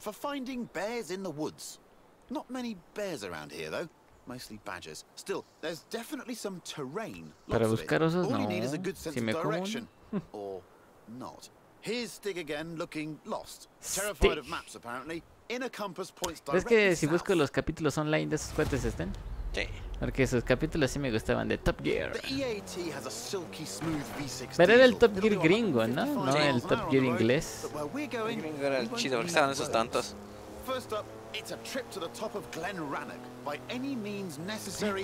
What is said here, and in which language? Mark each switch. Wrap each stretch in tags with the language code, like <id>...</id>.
<en>for finding bears in the woods. Not many bears around here, though. Mostly badgers. Still, there's definitely some terrain.</en> <es>Para buscar osos, no.</es> <en>All you need is a good sense of direction. Or not. Here's Stig again, looking lost. Terrified of maps, apparently. In a compass points directly south.</en> <es>¿Ves que si busco los capítulos online de esos cuates estén? Sí. Porque esos capítulos sí me gustaban de Top Gear.</es> <en>The EAT has a silky smooth V6.</en> <es>Pero era el Top Gear gringo, ¿no? Sí. No el Top Gear inglés. El gringo era el chido, porque estaban esos tantos.</es> <en>First up, it's a trip to the top of Glen Rannoch by any means necessary.</en>